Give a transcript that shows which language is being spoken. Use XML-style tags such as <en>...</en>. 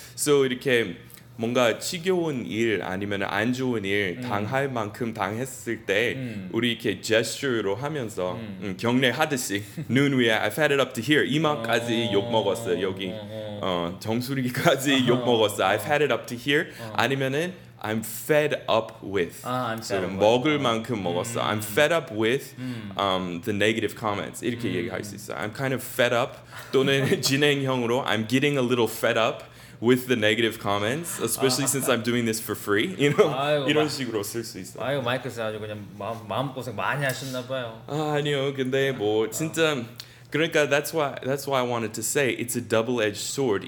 <ko>So 이렇게 뭔가 지겨운 일 아니면 안 좋은 일 당할 만큼 당했을 때 우리 이렇게 gesture로 하면서 경례하듯이 눈 위에</ko> <en>I've had it up to here</en> <ko>이마까지 욕 먹었어요. 여기 정수리까지 욕 먹었어요.</ko> <en>I've had it up to here</en> <ko>아니면은</ko> <en>I'm fed up with. I'm fed up.</en> <ko>먹을 만큼 먹었어.</ko> <en>I'm fed up with the negative comments.</en> <ko>이렇게 얘기할 수 있어.</ko> <en>I'm kind of fed up</en> <ko>또는 진행형으로</ko> <en>I'm getting a little fed up with the negative comments, especially 아. since I'm doing this for free. You know,</en> <ko>아이고, 이런 식으로 쓸 수 있어. 아유 마이크 씨 아주 그냥 마음 고생 많이 하셨나 봐요. 아, 아니요, 근데 뭐 진짜. 그러니까</ko> <en>that's why I wanted to say it's a double-edged sword.</en>